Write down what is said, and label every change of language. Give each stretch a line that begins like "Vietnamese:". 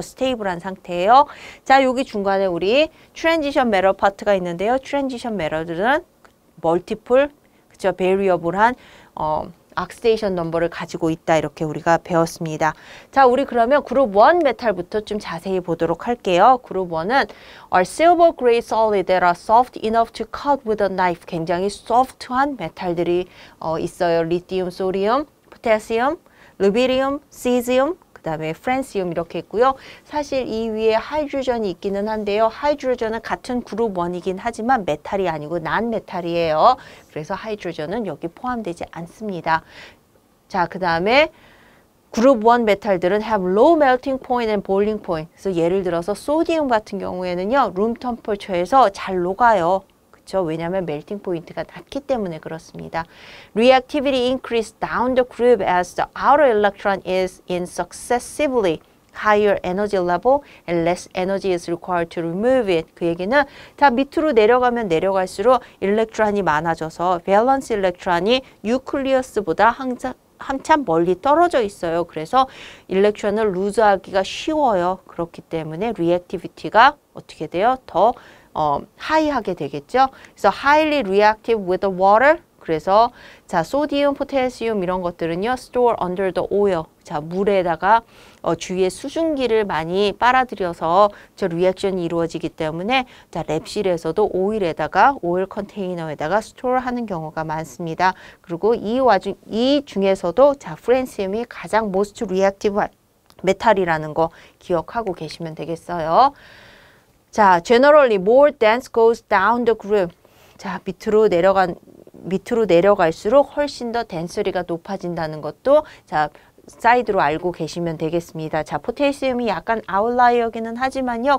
Korean: 스테이블한 상태예요. 자, 여기 중간에 우리 트랜지션 메럴 파트가 있는데요. 트랜지션 메럴들은 멀티플, 그쵸? 베리어블한 악스테이션 넘버를 가지고 있다. 이렇게 우리가 배웠습니다. 자, 우리 그러면 그룹 1 메탈부터 좀 자세히 보도록 할게요. 그룹 1은
English: are silver grade solid that are soft enough to cut with a knife.
Korean: 굉장히 소프트한 메탈들이 있어요. 리튬, 소리움, 포태시움, 루비디움, 시즘, 그 다음에 프랜시움 이렇게 있고요. 사실 이 위에 하이드로젠이 있기는 한데요. 하이드로젠은 같은 그룹 1이긴 하지만 메탈이 아니고 난메탈이에요. 그래서 하이드로젠은 여기 포함되지 않습니다. 자, 그 다음에 그룹 1 메탈들은
English: have low melting point and boiling point.
Korean: 그래서 예를 들어서 소디움 같은 경우에는요. 룸 템퍼처에서 잘 녹아요. 왜냐하면 멜팅 포인트가 낮기 때문에 그렇습니다.
English: Reactivity increase down the group as the outer electron is in successively higher energy level and less energy is required to remove it.
Korean: 그 얘기는 자 밑으로 내려가면 내려갈수록 일렉트론이 많아져서 밸런스 일렉트론이 뉴클리어스보다 한참 멀리 떨어져 있어요. 그래서 일렉트론을 루즈하기가 쉬워요. 그렇기 때문에 리액티비티가 어떻게 돼요? 더 하이하게 되겠죠. 그래서
English: highly reactive with the water.
Korean: 그래서 자 소디움, 포태시움 이런 것들은요.
English: store under the oil.
Korean: 자 물에다가 주위에 수증기를 많이 빨아들여서 저 리액션이 이루어지기 때문에 자 랩실에서도 오일에다가 오일 컨테이너에다가 store하는 경우가 많습니다. 그리고 이 중에서도 자 프랜시움이 가장
English: most reactive
Korean: 메탈이라는 거 기억하고 계시면 되겠어요. 자,
English: generally more dense goes down the group.
Korean: 자, 밑으로 내려갈수록 훨씬 더 density가 높아진다는 것도 자, 사이드로 알고 계시면 되겠습니다. 자, 포테시움이 약간 아웃라이어기는 하지만요.